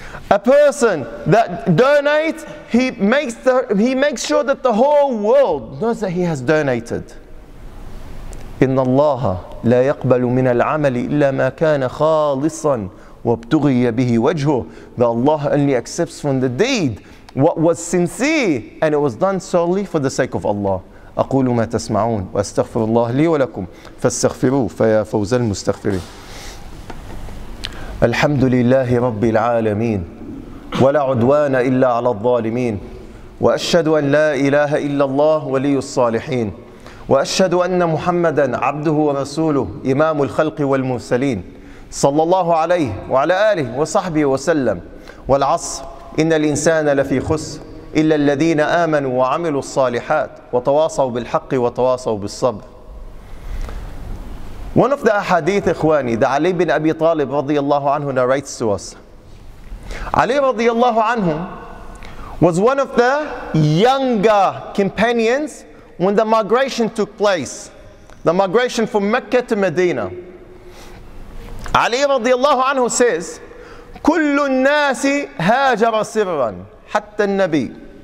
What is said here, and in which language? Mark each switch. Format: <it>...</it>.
<en>A person that donates, he makes sure that the whole world knows that he has donated.</en> <ar>إِنَّ اللَّهَ لَا يَقْبَلُ مِنَ الْعَمَلِ إِلَّا مَا كَانَ خَالِصًا وَابْتُغِيَ بِهِ وَجْهُ.</ar> <en>That Allah only accepts from the deed what was sincere and it was done solely for the sake of Allah.</en> <ar>أقول ما تسمعون وأستغفر الله لي ولكم فاستغفروا فيا فوز المستغفرين. الحمد لله رب العالمين ولا عدوان إلا على الظالمين وأشهد أن لا إله إلا الله ولي الصالحين وأشهد أن محمدًا عبده ورسوله إمام الخلق والمرسلين صلى الله عليه وعلى آله وصحبه وسلم. والعصر إن الإنسان لفي خسر إلا الذين آمنوا وعملوا الصالحات وتواصوا بالحق وتواصوا بالصبر.</ar> <en>One of the ahadith, إخواني, that Ali bin Abi Talib رضي الله عنه narrates to us. Ali رضي الله عنه was one of the younger companions when the migration took place, the migration from Mecca to Medina.</en> <ar>Ali radiallahu anhu says, كُلُّ النَّاسِ هَاجَرَ سِرًّا حَتَّى النَّبِيِّ.</ar>